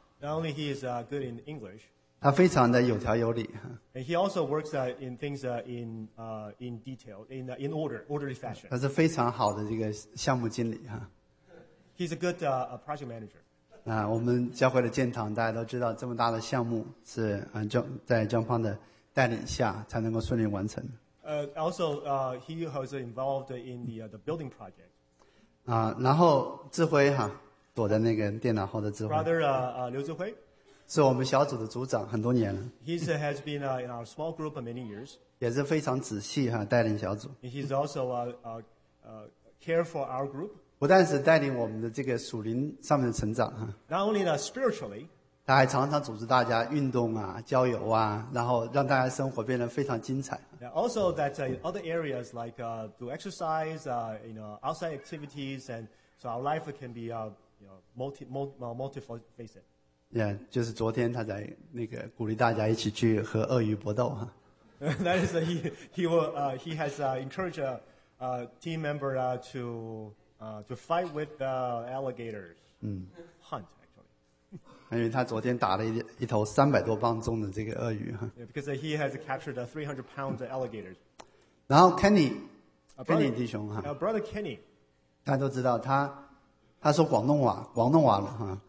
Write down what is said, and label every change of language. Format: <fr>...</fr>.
<en>，not only he is good in English，</en> <zh>他非常的有条有理</zh> <en>，and he also works in things in detail in orderly fashion。</en> <zh>他是非常好的这个项目经理哈。</zh> <en>He's a good project manager。</en> <zh>我们教会的建堂大家都知道这么大的项目是在江胖的带领下才能够顺利完成。</zh> <en>He was involved in the building project.</en> <zh>然后志辉哈躲在那个电脑后的志辉。</zh> <en>Brother, 刘志辉。</en> <zh>是我们小组的组长很多年了。</zh> <en>He has been in our small group many years.</en> <zh>也是非常仔细哈带领小组。</zh> <en>And he's also care for our group.</en> <zh>不但是带领我们的这个属灵上面的成长</zh> <en>Not only that, spiritually,</en> <zh>他还常常组织大家运动啊郊游啊然后让大家生活变得非常精彩</zh> <en>Also that other areas like do exercise you know, outside activities and so our life can be multifaceted</en> <zh>Yeah, 就是昨天他在那个鼓励大家一起去和鳄鱼搏斗</zh> <en>That is he has encouraged a team member to fight with the alligators. Hunt actually.</en> <zh>因为他昨天打了一头300多磅重的这个鳄鱼。</zh> <en>Yeah, because he has captured 300 pounds of alligators.</en> <zh>然后 Kenny 弟兄哈。</zh> <en>Brother Kenny.</en> <zh>大家都知道他说广东话了哈。</zh>